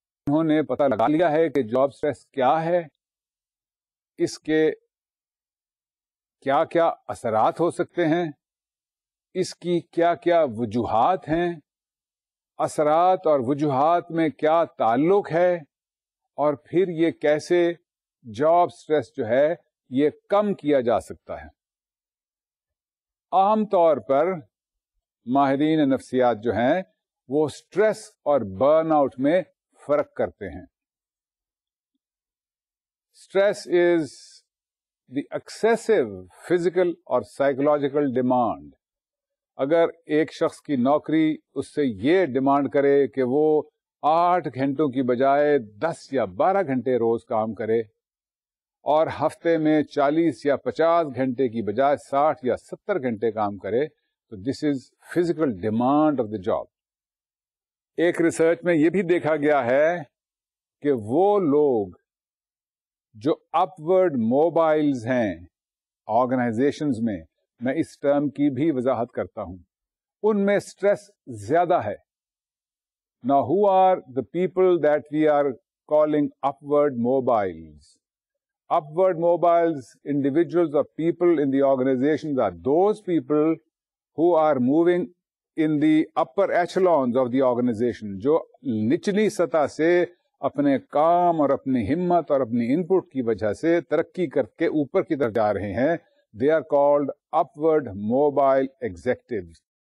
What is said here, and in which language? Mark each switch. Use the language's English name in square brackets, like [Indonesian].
[Urdu] انہوں نے پتہ لگا لیا ہے کہ جاب سٹریس کیا ہے, اس کے کیا کیا اثرات ہو سکتے ہیں, اس کی کیا کیا وجوہات ہیں, اثرات اور وجوہات میں کیا تعلق ہے, اور پھر یہ کیسے جاب سٹریس جو ہے یہ کم کیا جا سکتا ہے. عام طور پر ماہرین نفسیات جو ہیں وہ سٹریس اور برن آؤٹ میں فرق کرتے ہیں. [English] Stress is the excessive physical or psychological demand. [Urdu] اگر ایک شخص کی نوکری اس سے یہ ڈیمانڈ کرے کہ وہ 8 گھنٹوں کی بجائے 10 یا 12 گھنٹے روز کام کرے, اور ہفتے میں 40 یا 50 گھنٹے کی بجائے 60 یا 70 گھنٹے کام کرے, تو [English] this is physical demand of the job. [Urdu] ایک ریسرچ میں یہ بھی دیکھا گیا ہے کہ وہ لوگ جو اپورڈ موبائلز ہیں آرگنائزیشنز میں, میں اس ٹرم کی بھی وضاحت کرتا ہوں, ان میں سٹریس زیادہ ہے. [English] Now who are the people that we are calling upward mobiles? Upward mobiles, individuals or people in the organizations are those people who are moving in the upper echelons of the organization, [Urdu] جو نچلی سطح سے اپنے کام اور اپنی ہمت اور اپنی ان پٹ کی وجہ سے ترقی کر کے اوپر کی طرف جا رہے ہیں, [English] they are called upward mobile executives.